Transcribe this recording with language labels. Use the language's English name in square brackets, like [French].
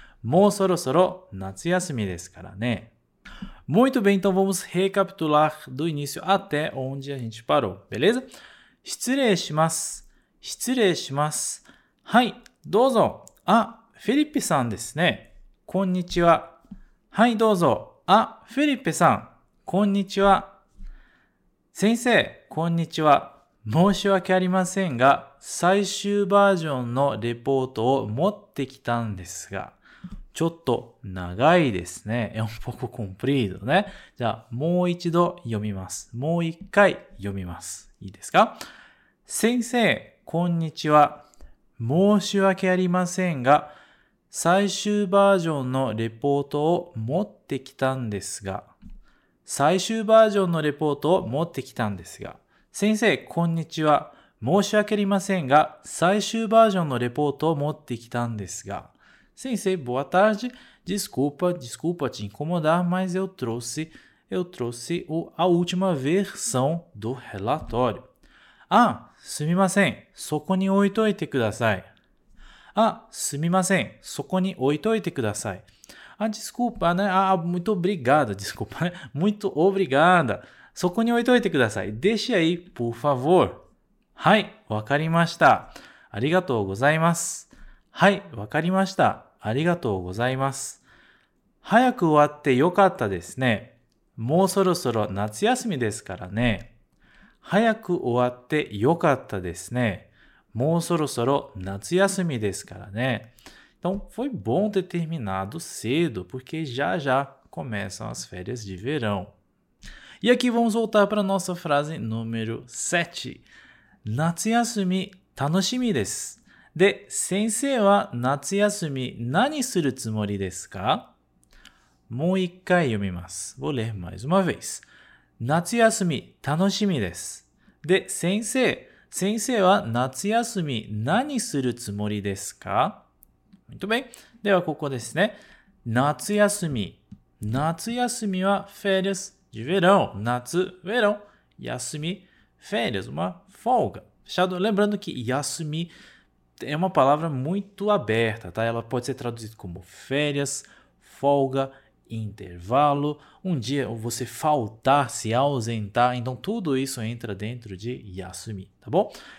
[Japanese] もうそろそろ夏休みですからね。 [Portuguese] Muito bem, então vamos recapitular do início até onde a gente parou, beleza? [Japanese] 失礼します。失礼します。はい、どうぞ。あ、フィリッペさんですね。こんにちは。はい、どうぞ。あ、フィリッペさん。こんにちは。先生、こんにちは。申し訳ありませんが、最終バージョンのレポートを持ってきたんですが、ちょっと長いですね。 [Portuguese] É um pouco comprido, né? [Japanese] じゃあ、もう一度読みます。もう一回読みます。いいですか? 先生、こんにちは。申し訳ありませんが、最終バージョンのレポートを持ってきたんですが、最終バージョンのレポートを持ってきたんですが、先生、こんにちは。申し訳ありませんが、最終バージョンのレポートを持ってきたんですが、先生、 [Portuguese] boa tarde. Desculpa te incomodar, mas eu trouxe a última versão do relatório. [Japanese] Ah, すみません。そこに置いといてください。Ah, すみません。そこに置いといてください。 [Portuguese] Ah, desculpa, né? Ah, muito obrigada. Desculpa, né? Muito obrigada. [Japanese] そこに置いといてください。 [Portuguese] Deixe aí, por favor. [Japanese] はい、わかりました。ありがとうございます。はい、わかりました。ありがとうございます。早く終わってよかったですね。もうそろそろ夏休みですからね。早く終わってよかったですね。もうそろそろ夏休みですからね。 [Portuguese] Então, foi bom ter terminado cedo, porque já já começam as férias de verão. E aqui vamos voltar para nossa frase número 7. [Japanese] 夏休み楽しみです。で、先生は夏休み何するつもりですか？もう一回読みます。 [Portuguese] Vou ler mais uma vez. [Japanese] 夏休み楽しみです。で、先生は夏休み何するつもりですか？ [Portuguese] Muito bem. [Japanese] ではここですね。 [Portuguese] 夏休みは férias de verão. 夏、verão. 休み、férias. Uma folga. Shadow, lembrando que 休みé uma palavra muito aberta, tá? Ela pode ser traduzida como férias, folga, intervalo, um dia você faltar, se ausentar, então tudo isso entra dentro de yasumi, tá bom?